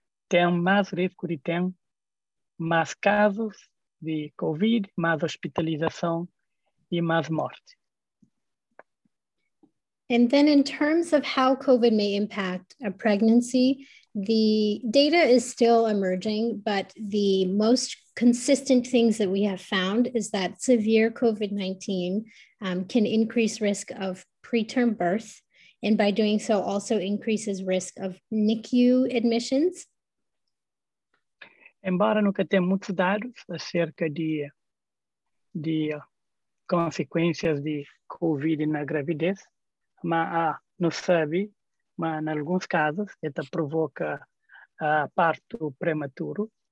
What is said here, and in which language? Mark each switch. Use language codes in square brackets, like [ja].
[pt] Tem mais risco de ter mais casos de COVID, mais hospitalização e mais morte. [en] And then in terms of how COVID may impact a pregnancy, the data is still emerging, but the most consistent things that we have found is that severe COVID-19 can increase risk of preterm birth, and by doing so also increases risk of NICU admissions. [pt] Embora nunca tenha muitos dados acerca de consequências de COVID na gravidez, mas não sabe, mas em alguns casos, isso provoca parto prematuro.